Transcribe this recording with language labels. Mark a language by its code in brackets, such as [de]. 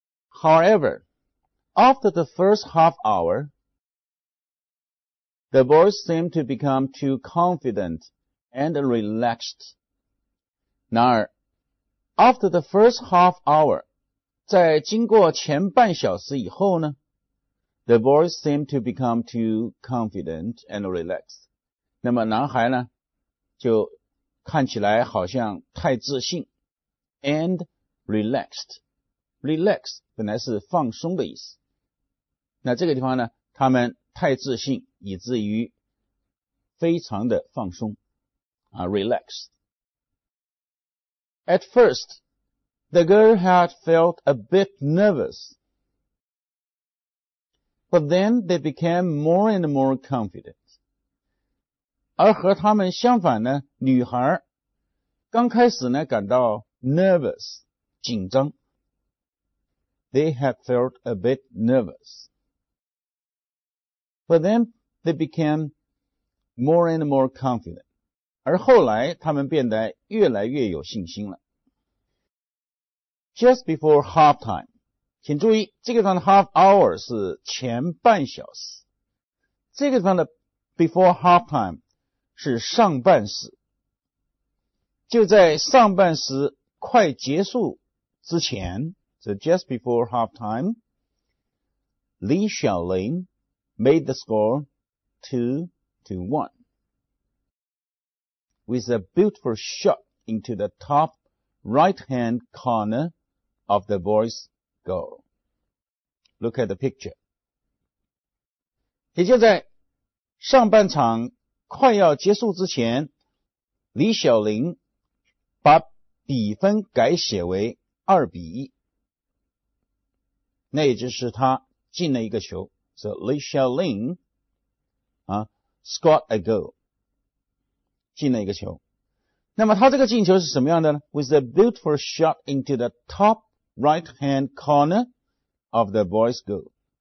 [en] However, after the first half hour, the boys seemed to become too confident and relaxed. [zh] 然而 [en] After the first half hour, [zh] 在经过前半小时以后呢， [en] the boys seemed to become too confident and relaxed. [zh] 那么男孩呢，就看起来好像太自信 [en] and relaxed. [zh] Relaxed 本来是放松的意思。那这个地方呢，他们太自信，以至于非常的放松啊 ，relaxed. [en] At first, the girl had felt a bit nervous, but then they became more and more confident. [zh] 而和他们相反呢，女孩刚开始呢感到 nervous, 紧张。 [en] They had felt a bit nervous, but then they became more and more confident. [zh] 而后来他们变得越来越有信心了。 [en] just before half time. [zh] 请注意，这个地方的 half hour 是前半小时。这个地方的 [en] before half time [zh] 是上半时。就在上半时快结束之前，是 [en] just before half time, Li Xiaolin made the score 2-1. With a beautiful shot into the top right-hand corner of the boy's goal. Look at the picture. [zh] 也就在上半场快要结束之前，李晓玲把比分改写为2-1。那也就是他进了一个球。 [en] So, Li Xiaolin, scored a goal. 进了一个球。 [zh] 那么他这个进球是什么样的呢？ [en] With a beautiful shot into the top right-hand corner of the boy's goal.